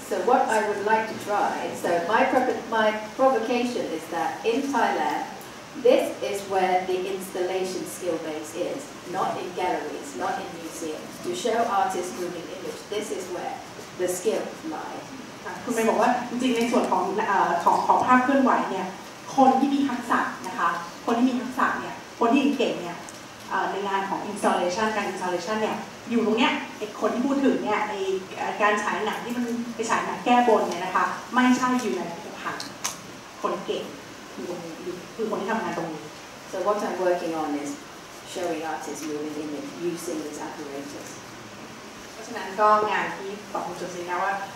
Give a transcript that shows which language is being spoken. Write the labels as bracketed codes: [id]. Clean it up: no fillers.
[en] so what I would like to try, so my provocation is that in Thailand, this is where the installation skill base is, not in galleries, not in museums. To show artists moving image, this is where the skill lies. [th] คุณแม่บอกว่าจริงๆในส่วนของภาพเคลื่อนไหวเนี่ยคนที่มีทักษะนะคะคนที่มีทักษะเนี่ยคนที่เก่งเนี่ยในงานของ installation การ installation เนี่ยอยู่ตรงเนี้ยไอ้คนที่พูดถึงเนี่ยในการฉายหนังที่มันไปฉายหนังแก้บนเนี่ยนะคะไม่ใช่อยู่ในพิพิธภัณฑ์คนเก่งคือคนที่ทำงานตรงนี้ [en] So what I'm working on is showing artists moving image using this apparatus [th] เพราะฉะนั้นก็งานที่ต่อคุณจุ๋มสินะว่า